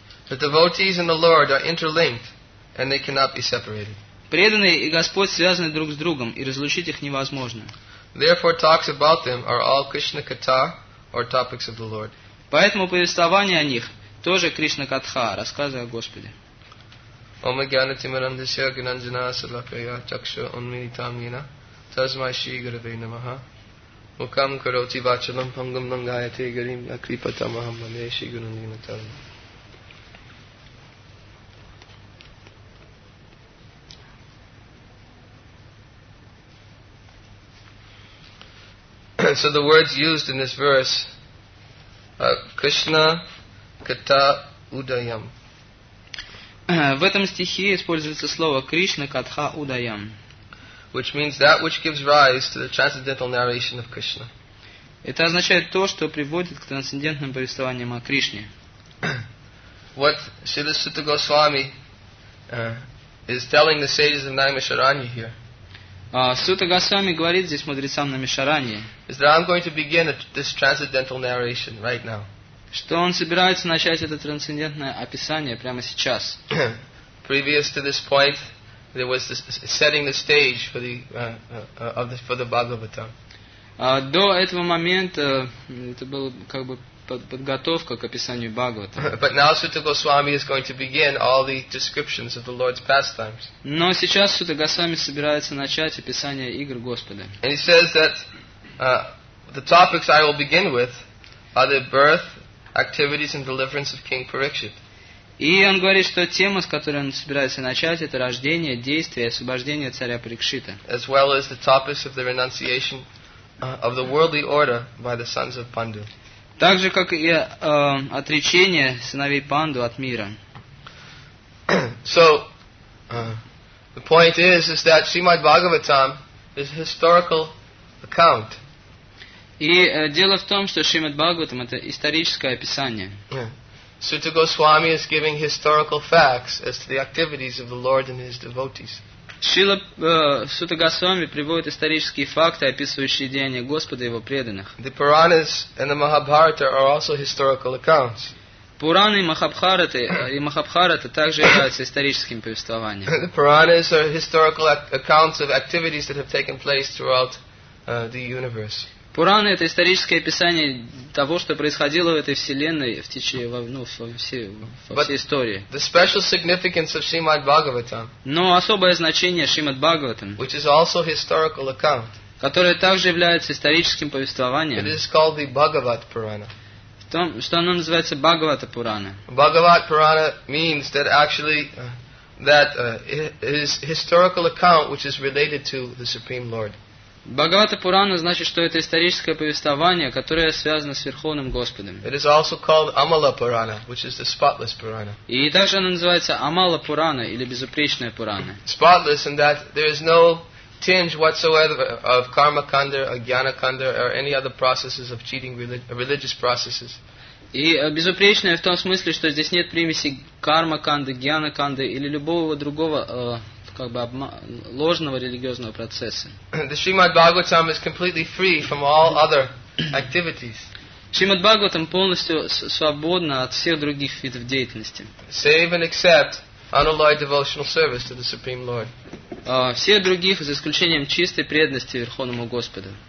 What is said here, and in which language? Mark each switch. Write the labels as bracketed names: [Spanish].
[English] The devotees and the Lord are interlinked, and they cannot be separated. [Russian] Преданные и Господь связаны друг с другом, и разлучить их невозможно. [English] Therefore, talks about them are all Krishna Katha, or topics of the Lord. [Russian] Поэтому повествование о них тоже Кришна Катха, рассказы о Господе. [Sanskrit] Ом гьяна тимирандасья гьянанджана салакая чакшу унмилитам йена тасмай шри гурве намаха мукам кароти вачалам пангам нангаяте гарим акрипатамахам мале шри гурундина тарам. [English] sequence of the words used in this verse. Krishna Kata Udayam. [Russian] В этом стихе используется слово Кришна Катха Удаям. [English] Which means that which gives rise to the transcendental narration of Krishna. [Russian] Это означает то, что приводит к трансцендентным повествованиям о Кришне. [English] What Śrīla Śrīla Gosvāmī is telling the sages of Naimisharanya here. [Russian] Śrīla Gosvāmī говорит здесь мудрецам Наймишараньи. [English] Is that I'm going to begin this transcendental narration right now. [Russian] Что он собирается начать это трансцендентное описание прямо сейчас. [English] Previous to this point, there was this setting the stage for the of the for the Bhagavatam. [Russian] До этого момента это было как бы подготовка к описанию Бхагаватам. [English] But now Śrīla Gosvāmī is going to begin all the descriptions of the Lord's pastimes. [Russian] Но сейчас Śrīla Gosvāmī собирается начать описание игр Господа. [English] And he says that the topics I will begin with are the birth, activities and deliverance of King Parikshit. [Russian] И он говорит, что тема, с которой он собирается начать, это рождение, действие, освобождение царя Парикшита. [English] As well as the topics of the renunciation of the worldly order by the sons of Pandu. [Russian] Так же, как и отречение сыновей Панду от мира. [English] So, the point is that Srimad Bhagavatam is a historical account. [Russian] И дело в том, что Шримад Бхагаватам это историческое описание. [English] Śrīla Gosvāmī is giving historical facts as to the activities of the Lord and his devotees. [Russian] Śrīla Gosvāmī приводит исторические факты, описывающие деяния Господа и его преданных. [English] The Puranas and the Mahabharata are also historical accounts. [Russian] Пураны и Махабхараты также являются историческим повествованием. [English] The Puranas are historical accounts of activities that have taken place throughout the universe. [Russian] Пураны — это историческое описание того, что происходило в этой вселенной в течение всей истории. [English] The special significance of Srimad Bhagavatam. [Russian] Но особое значение Шримад Бхагаватам, [English] which is also historical account, [Russian] которое также является историческим повествованием. [English] It is called the Bhagavat Purana. [Russian] В том, что оно называется Бхагавата Пурана. [English] Bhagavat Purana means that actually that is historical account which is related to the Supreme Lord. [Russian] Бхагавата Пурана значит, что это историческое повествование, которое связано с Верховным Господом. [English] It is also called Amala Purana, which is the spotless Purana. [Russian] И также оно называется Амала Пурана или Безупречная Пурана. [English] Spotless in that there is no tinge whatsoever of Karma Kanda, Jnana Kanda or any other processes of cheating religious processes. [Russian] И безупречная в том смысле, что здесь нет примеси Карма Канды, Джнана Канды или любого другого как бы ложного религиозного процесса. [English] The Srimad Bhagavatam is completely free from all other activities. [Russian] Srimad Bhagavatam полностью свободно от всех других видов деятельности. [English] Save and except unalloyed devotional service to the Supreme Lord. [Russian] Все других, за исключением чистой преданности Верховному Господу.